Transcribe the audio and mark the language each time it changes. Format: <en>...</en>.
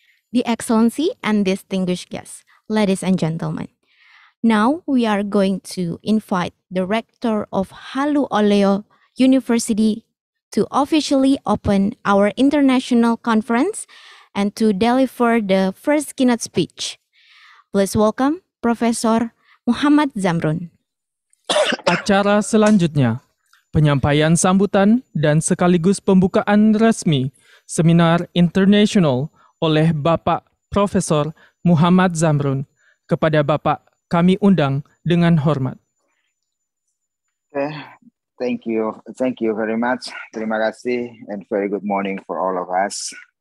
<en>The Excellency and distinguished guests, ladies and gentlemen, now we are going to invite the Rector of Halu Oleo University to officially open our international conference and to deliver the first keynote speech. Please welcome Professor Muhammad Zamrun.</en> <id>Acara selanjutnya, penyampaian sambutan dan sekaligus pembukaan resmi seminar internasional oleh Bapak Profesor Muhammad Zamrun. Kepada Bapak, kami undang dengan hormat.</id> <en>Thank you very much.</en> <id>Terima kasih</id> <en>and very good morning for all of us.</en>